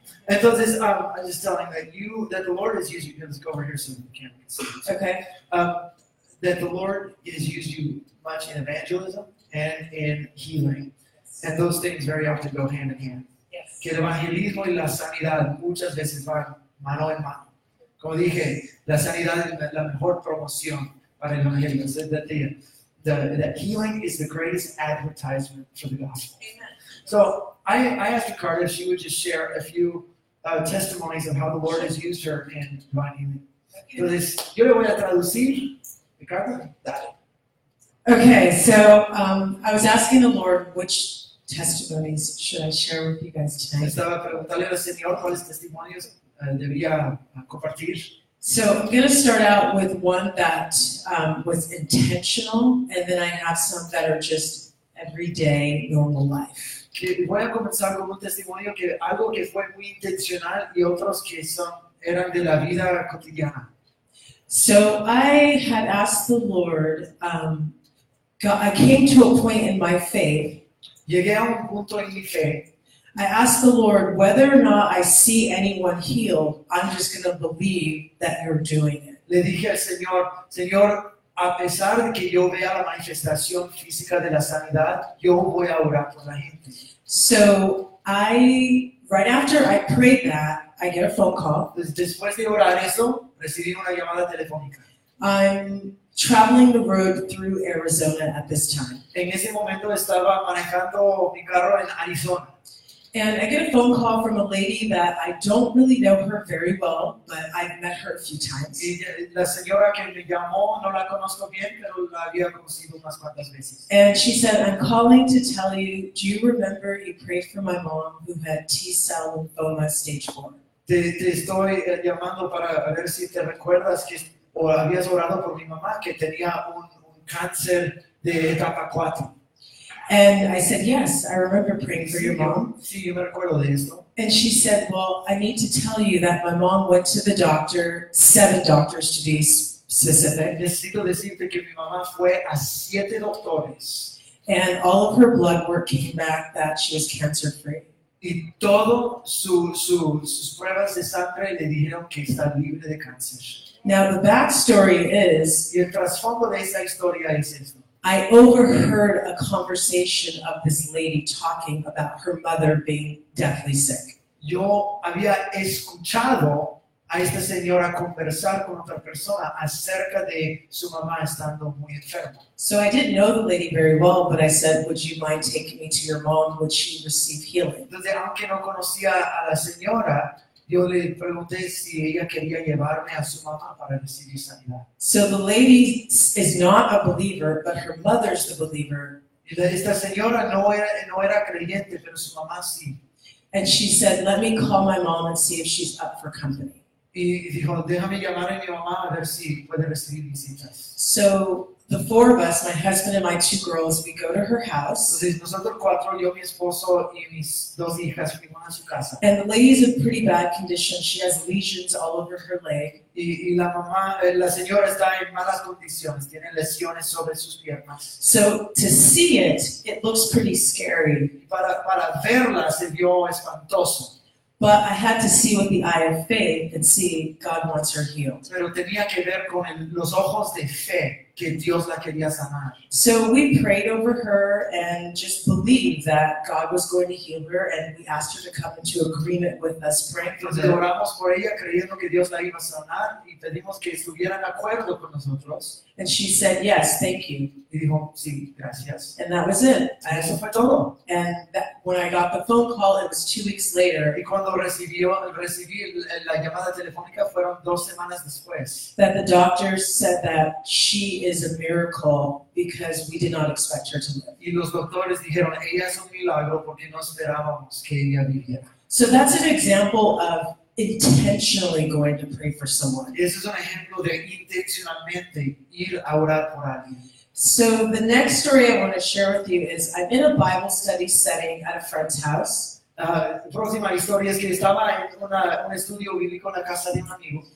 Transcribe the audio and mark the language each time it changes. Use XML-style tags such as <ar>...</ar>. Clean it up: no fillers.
<en>Entonces, I'm just telling that you, that the Lord has used you, let's go over here so we can see. Okay. That the Lord has used you much in evangelism and in healing. Yes. And those things very often go hand in hand. Yes.</en> <es>Que el evangelismo y la sanidad muchas veces van mano en mano. Como dije, la sanidad es la mejor promoción para el evangelio.</es> <en>Said that the healing is the greatest advertisement for the gospel. Amen. So I asked Ricardo if she would just share a few testimonies of how the Lord has used her in divine healing.</en> <es>Entonces, yo le voy a traducir. Ricardo, dale.</es> <en>Okay, so I was asking the Lord which testimonies should I share with you guys tonight.</en> <es>Estaba preguntándole al Señor cuáles testimonios debería compartir.</es> <en>So I'm going to start out with one that was intentional, and then I have some that are just everyday, normal life.</en> <es>Voy a comenzar con un testimonio que algo que fue muy intencional y otros que son eran de la vida cotidiana.</es> <en>So I had asked the Lord. I came to a point in my faith.</en> <es>Llegué a un punto en mi fe.</es> <en>I asked the Lord whether or not I see anyone healed, I'm just going to believe that you're doing it.</en> <es>Le dije al Señor, Señor, a pesar de que yo vea la manifestación física de la sanidad, yo voy a orar por la gente.</es> <en>So I, right after I prayed that, I get a phone call.</en> <es>Después de orar eso, recibí una llamada telefónica.</es> <en>I'm traveling the road through Arizona at this time.</en> <es>En ese momento estaba manejando mi carro en Arizona.</es> <en>And I get a phone call from a lady that I don't really know her very well, but I've met her a few times.</en> <es>La señora que me llamó, no la conozco bien, pero la había conocido unas cuantas veces.</es> <en>And she said, I'm calling to tell you, do you remember you prayed for my mom who had T-cell lymphoma stage 4?</en> <es>Te estoy llamando para ver si te recuerdas que o habías orado por mi mamá que tenía un cáncer de etapa 4.</es> <en>And I said, yes, I remember praying for your mom.</en> <es>Sí, yo me recuerdo de esto.</es> <en>And she said, well, I need to tell you that my mom went to the doctor, 7 doctors to be specific.</en> <es>Necesito decirte que mi mamá fue a 7 doctores.</es> <en>And all of her blood work came back that she was cancer free.</en> <es>Y todo sus pruebas de sangre le dijeron que está libre de cáncer.</es> <en>Now the back story is,</en> <es>y el trasfondo de esa historia es esto.</es> <en>I overheard a conversation of this lady talking about her mother being deathly sick. Yo había escuchado a esta señora conversar con otra persona acerca de su mamá estando muy enferma. So I didn't know the lady very well, but I said, would you mind taking me to your mom? Would she receive healing?</en> <es>Entonces, aunque no conocía a la señora, yo le pregunté si ella quería llevarme a su mamá para recibir sanidad.</es> <en>So the lady is not a believer, but her mother's the believer.</en> <es>Esta señora no era creyente, pero su mamá sí.</es> <en>And she said, let me call my mom and see if she's up for company.</en> <es>Y dijo, déjame llamar a mi mamá a ver si puede recibir visitas.</es> <en>So the four of us, my husband and my 2 girls, we go to her house.</en> <es>Entonces nosotros cuatro, yo, mi esposo y mis 2 hijas fuimos a su casa.</es> <en>And the lady is in pretty bad condition. She has lesions all over her leg.</en> <es>Y la mamá, la señora está en malas condiciones. Tiene lesiones sobre sus piernas.</es> <en>So to see it, it looks pretty scary.</en> <es>Para verla se vio espantoso.</es> <en>But I had to see with the eye of faith and see God wants her healed.</en> <es>Pero tenía que ver con los ojos de fe que Dios la quería sanar.</es> <en>So we prayed over her and just believed that God was going to heal her, and we asked her to come into agreement with us praying for her.</en> <es>Oramos por ella creyendo que Dios la iba a sanar y pedimos que estuviera en acuerdo con nosotros.</es> <en>And she said, yes, thank you.</en> <es>Y dijo, sí, gracias.</es> <en>And that was it.</en> <es>Y eso fue todo.</es> <en>And when I got the phone call, it was 2 weeks later.</en> <es>Y cuando recibí la llamada telefónica fueron 2 semanas después.</es> <en>That the doctors said that she is a miracle because we did not expect her to live.</en> <es>Y los doctores dijeron, ella es un milagro porque no esperábamos que ella viviera.</es> <en>So that's an example of intentionally going to pray for someone.</en> <es>Eso es un ejemplo de intencionalmente ir a orar por alguien.</es> <en>So the next story I want to share with you is, I'm in a Bible study setting at a friend's house.</en> <es>Próxima historia es que estaba en un estudio bíblico en la casa de un amigo.</es>